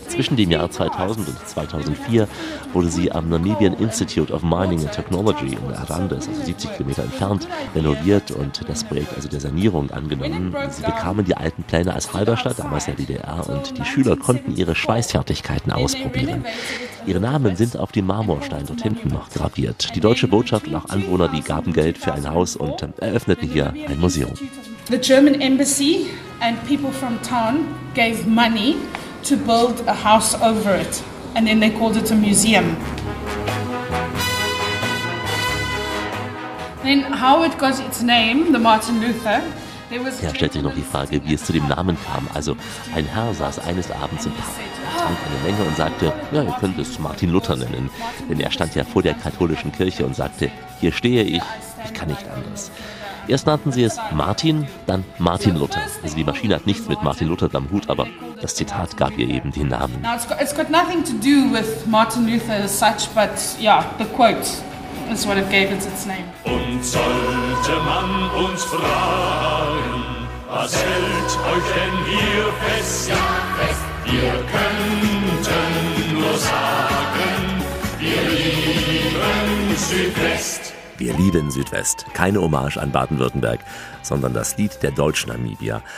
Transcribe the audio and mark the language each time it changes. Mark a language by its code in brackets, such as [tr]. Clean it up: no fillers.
[de] Zwischen dem Jahr 2000 und 2004 wurde sie am Namibian Institute of Mining and Technology in Arandas, also 70 Kilometer entfernt, renoviert und das Projekt, also der Sanierung, angenommen. Sie bekamen die alten Pläne als Halberstadt, damals der DDR, und die Schüler konnten ihre Schweißfertigkeiten ausprobieren. Ihre Namen sind auf dem Marmorstein dort hinten noch graviert. Die deutsche Botschaft und auch Anwohner, die gaben Geld für ein Haus und eröffneten hier ein Museum. [en] The German embassy and people from town gave money to build a house over it, and then they called it a museum. Then how it got its name, the Martin Luther. [de] Ja, stellt sich noch die Frage, wie es zu dem Namen kam. Also, ein Herr saß eines Abends im Park, trank eine Menge und sagte, ja, ihr könnt es Martin Luther nennen. Denn er stand ja vor der katholischen Kirche und sagte, hier stehe ich, ich kann nicht anders. Erst nannten sie es Martin, dann Martin Luther. Also die Maschine hat nichts mit Martin Luther am Hut, aber das Zitat gab ihr eben den Namen. [en] It's got nothing to do with Martin Luther as such, but yeah, the quote is what it gave its name. [de] Und sollte man uns fragen, was hält euch denn hier fest? Ja, fest. Wir könnten nur sagen, wir lieben Südwest. Wir lieben Südwest. Keine Hommage an Baden-Württemberg, sondern das Lied der deutschen Namibia.